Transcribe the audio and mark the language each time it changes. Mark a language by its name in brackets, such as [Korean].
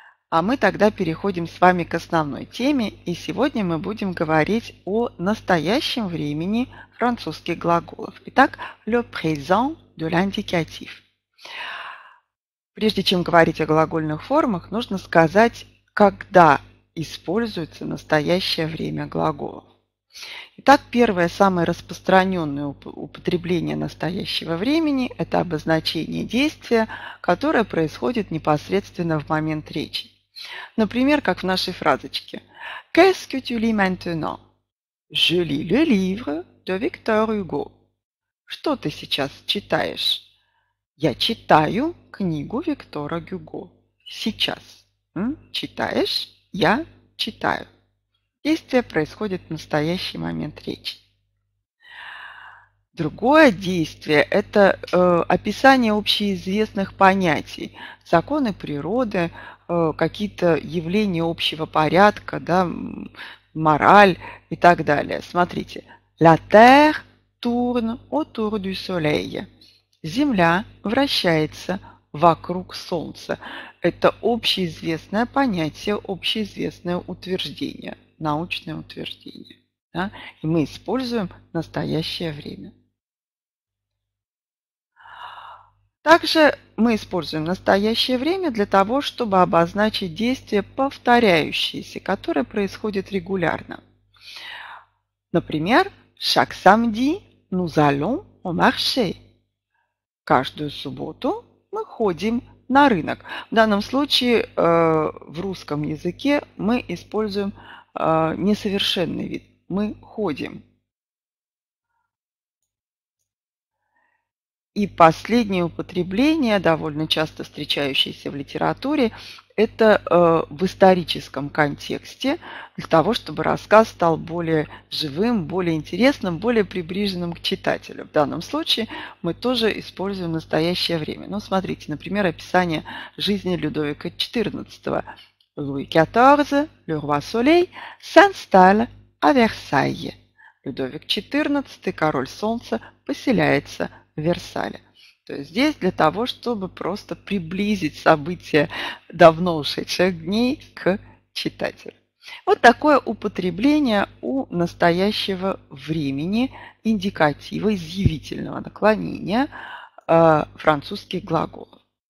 [Russian] А мы тогда переходим с вами к основной теме, и сегодня мы будем говорить о настоящем времени французских глаголов. Итак, [French] le présent de l'indicatif. [Russian] Прежде чем говорить о глагольных формах, нужно сказать, когда используется настоящее время глаголов. Итак, первое, самое распространенное употребление настоящего времени – это обозначение действия, которое происходит непосредственно в момент речи. Например, как в нашей фразочке. [French] Qu'est-ce que tu lis maintenant? Je lis le livre de Victor Hugo. [Russian] Что ты сейчас читаешь? Я читаю книгу Виктора Гюго. Сейчас. Читаешь? Я читаю. Действие происходит в настоящий момент речи. Другое действие – это описание общеизвестных понятий, законы природы, какие-то явления общего порядка, да, мораль и так далее. Смотрите. [French] La terre tourne autour du soleil. [Russian] Земля вращается вокруг солнца. Это общеизвестное понятие, общеизвестное утверждение, научное утверждение. Да? И мы используем настоящее время. Также мы используем настоящее время для того, чтобы обозначить действия, повторяющиеся, которые происходят регулярно. Например, [French] chaque samedi nous allons au marché. [Russian] Каждую субботу мы ходим на рынок. В данном случае в русском языке мы используем несовершенный вид. Мы ходим. И последнее употребление, довольно часто встречающееся в литературе, это в историческом контексте, для того, чтобы рассказ стал более живым, более интересным, более приближенным к читателю. В данном случае мы тоже используем настоящее время. Ну, смотрите, например, описание жизни Людовика XIV. [French] Louis XIV, le roi soleil, s'installe à Versailles. [Russian] Людовик XIV, король солнца, поселяется в Версале. То есть здесь для того, чтобы просто приблизить события давно ушедших дней к читателю. Вот такое употребление у настоящего времени индикатива, изъявительного наклонения французских глаголов.